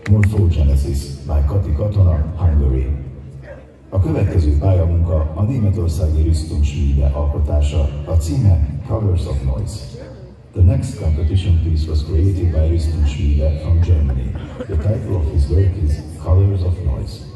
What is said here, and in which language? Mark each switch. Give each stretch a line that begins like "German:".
English: Soul Genesis by Kati Katona, Hungary.
Hungarian: A következő pályamunka a németországi Rüstungsmühle alkotása, a címe Colors of Noise.
English: The next competition piece was created by Rüstungsmühle from Germany. The title of his work is Colors of Noise.